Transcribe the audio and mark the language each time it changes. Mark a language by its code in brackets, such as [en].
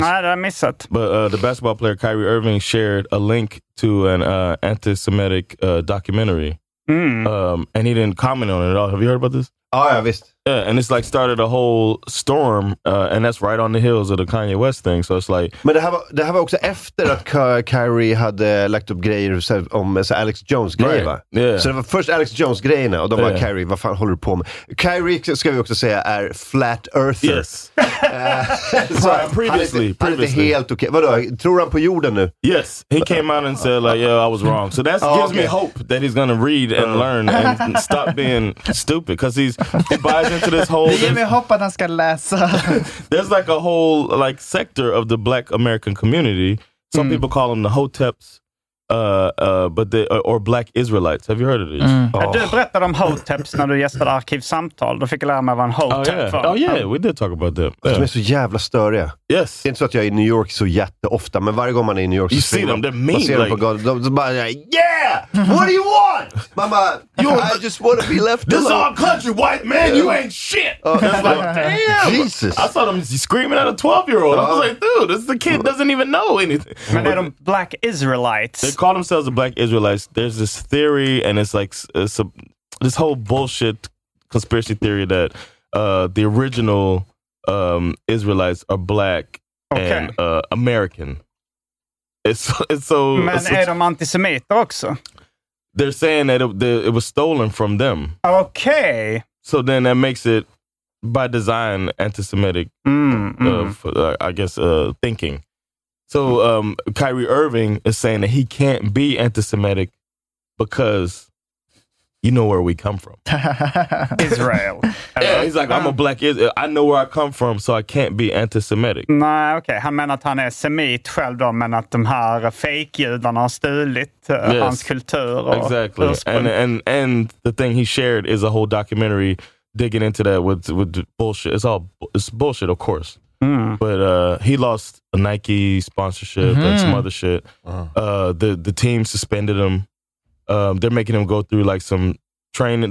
[sv] Nej, det har jag missat. [en] But the basketball player Kyrie Irving shared a link to an anti-Semitic documentary. And he didn't comment on it at all. Have you heard about this? Oh, yeah, visst. Yeah, and it's like started a whole storm, and that's right on the heels of the Kanye West thing. So it's like, [sv] men det här var också efter att Kyrie hade lagt upp grejer om så Alex Jones grejer, right. [en] Yeah. [sv] Så det var först Alex Jones grejen och då var Kyrie, vad fan håller du på med? Kyrie, ska vi också säga, är flat earther. [en] Yes. So previously. [sv] Han är helt okej. Vadå, tror han på jorden nu? [en] Yes. He came out and said like, yeah, I was wrong. So that gives me hope that he's gonna read and learn and stop being stupid, because into this whole, [sv] det ger mig hopp att han ska läsa. [en] There's like a whole like sector of the Black American community. Some people call them the Hoteps, but they, or Black Israelites. Have you heard of these? [sv] Du berättade om Hoteps när du gästade Arkivsamtal. Då fick jag lära mig vad en Hotep [en] var. Oh yeah, we did talk about them. [sv] De är så jävla störiga. [en] Yes. [sv] Det är inte så att jag är i New York så jätteofta, men varje gång man är i New York så ser man dem. Man ser dem på gatan. De bara, yeah! [en] What do you want? Mama, I just want to be left this alone. This our country, white man, you ain't shit. That's like, damn. Jesus. I saw them screaming at a 12-year-old. I was like, dude, this is the kid doesn't even know anything. Man, they're Black Israelites. They call themselves the Black Israelites. There's this theory, and it's like this whole bullshit conspiracy theory that the original Israelites are Black and American. [sv] Är de antisemiter också? [en] They're saying that it was stolen from them. Okay. So then that makes it, by design, anti-Semitic, thinking. So Kyrie Irving is saying that he can't be anti-Semitic because you know where we come from. Israel. Yeah, he's like, I'm a black Israel. I know where I come from, so I can't be anti-Semitic. [sv] Nej, okej. Han menar att han är semit själv då, men att de här fake-judarna har stulit hans kultur. [en] Exactly. And the thing he shared is a whole documentary digging into that with bullshit. It's bullshit, of course. Mm. But he lost a Nike sponsorship and some other shit. The team suspended him. They're making him go through like some training.